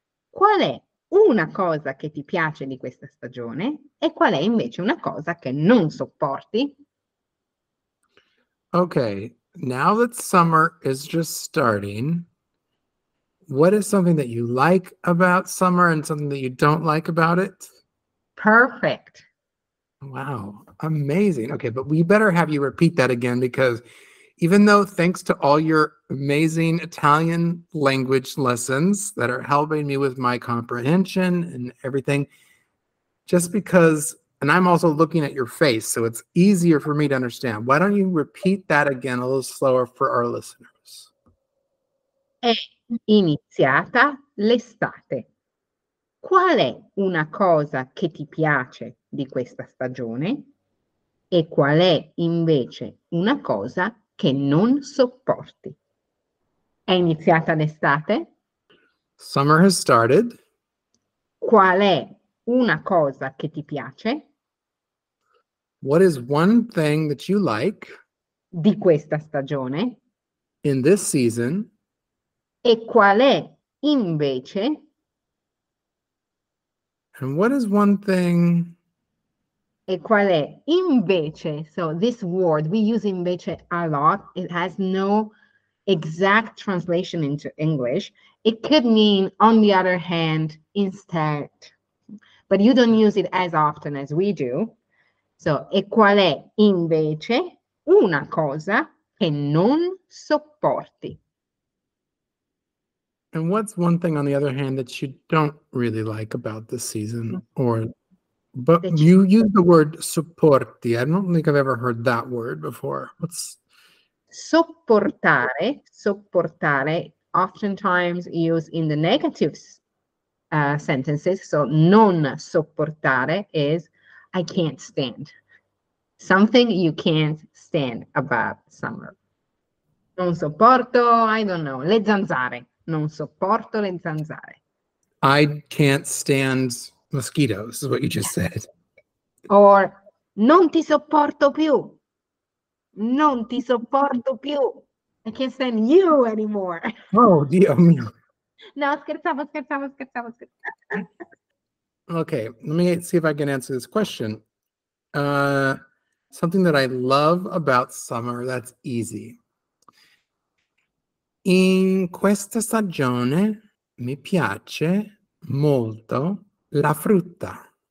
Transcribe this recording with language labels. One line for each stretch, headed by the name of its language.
Italian: Qual è una cosa che ti piace di questa stagione e qual è invece una cosa che non sopporti?
English: Okay, now that summer is just starting, what is something that you like about summer and something that you don't like about it? Perfect. Wow, amazing. Okay, but we better have you repeat that again because even though thanks to all your amazing Italian language lessons that are helping me with my comprehension and everything, just because, and I'm also looking at your face, so it's easier for me to understand. Why don't you repeat that again a little slower for our listeners?
Italian: È iniziata l'estate. Qual è una cosa che ti piace di questa stagione e qual è invece una cosa che non sopporti? È iniziata l'estate?
English: Summer has started.
Italian: Qual è una cosa che ti piace
English: What is one thing that you like
Italian: di questa stagione?
English: in this season?
Italian: E qual è invece?
English: And what is one thing?
Italian: E qual è invece?
English: So this word we use invece a lot. It has no exact translation into English. It could mean on the other hand, instead, but you don't use it as often as we do.
Italian: So, e qual è invece una cosa che non sopporti?
English: And what's one thing, on the other hand, that you don't really like about this season? Or, but you use the word supporti. I don't think I've ever heard that word before. What's Sopportare, oftentimes used in the negative sentences. So non sopportare is I can't stand something you can't stand about summer.
Italian: Non sopporto,
English: I don't know,
Italian: le zanzare. Non sopporto le zanzare.
English: I can't stand mosquitoes, is what you just said.
Italian: Or non ti sopporto più. Non ti sopporto più.
English: I can't stand you anymore.
Italian: Oh, Dio mio. No, scherzavo, scherzavo, scherzavo, scherzavo.
English: Okay, let me see if I can answer this question. Something that I love about summer, that's easy.
Italian: In questa stagione mi piace molto la frutta.